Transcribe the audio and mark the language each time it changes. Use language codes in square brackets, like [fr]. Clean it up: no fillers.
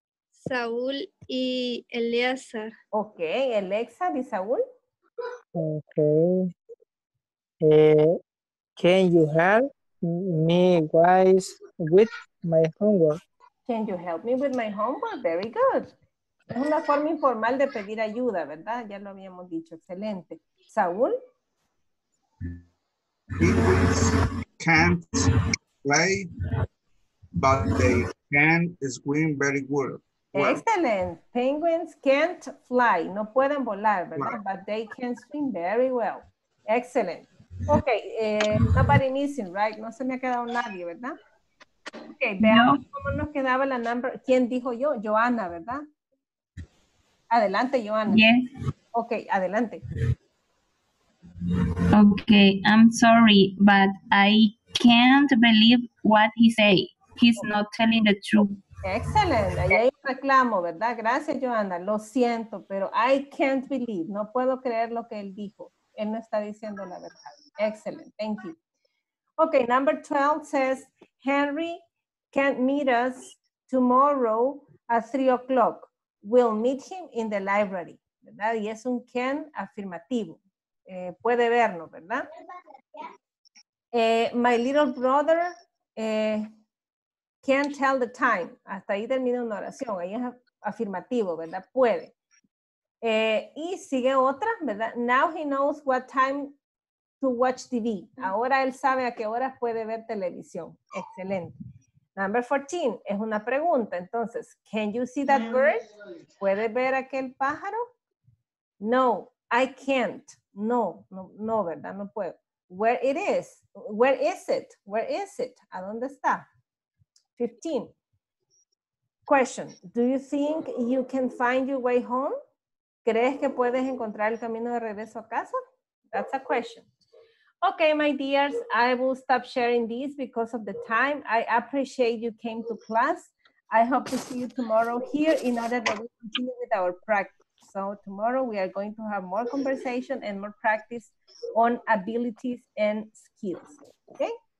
[es] Saúl y Eleazar. Ok. Alexa y Saúl. Ok. [en] Can you help me guys with my homework? Can you help me with my homework? Very good. [es] Es una forma informal de pedir ayuda, ¿verdad? Ya lo habíamos dicho. Excelente. ¿Saúl? [en] Can't play, but they can swim very well. Excellent. Penguins can't fly. [es] No pueden volar, ¿verdad? No. [en] But they can swim very well. Excellent. Ok. Nobody missing, right? [es] No se me ha quedado nadie, ¿verdad? Ok. Veamos cómo nos quedaba la number. ¿Quién dijo yo? Joana, ¿verdad? Adelante, Joana. [en] Yes. [es] Ok. Adelante. [en] Okay, I'm sorry, but I can't believe what he say. He's not telling the truth. Excellent. [es] Ahí hay un reclamo, ¿verdad? Gracias, Joanna. Lo siento, pero [en] I can't believe. [es] No puedo creer lo que él dijo. Él no está diciendo la verdad. [en] Excellent. Thank you. Okay, number 12 says, Henry can't meet us tomorrow at 3 o'clock. We'll meet him in the library. [es] ¿Verdad? Y es un can afirmativo. Puede vernos, ¿verdad? [en] My little brother can't tell the time. [es] Hasta ahí termina una oración. Ahí es afirmativo, ¿verdad? Puede. Y sigue otra, ¿verdad? [en] Now he knows what time to watch TV. [es] Ahora él sabe a qué horas puede ver televisión. Excelente. Number 14 es una pregunta. [en] Entonces, can you see that bird? [es] ¿Puede ver aquel pájaro? [en] No, I can't. [es] No, no, no, ¿verdad? No puedo. [en] Where it is? Where is it? Where is it? [es] ¿A dónde está? [en] 15. Question. Do you think you can find your way home? [es] ¿Crees que puedes encontrar el camino de regreso a casa? [en] That's a question. Okay, my dears, I will stop sharing this because of the time. I appreciate you came to class. I hope to see you tomorrow here in order that we continue with our practice. So tomorrow we are going to have more conversation and more practice on abilities and skills, okay?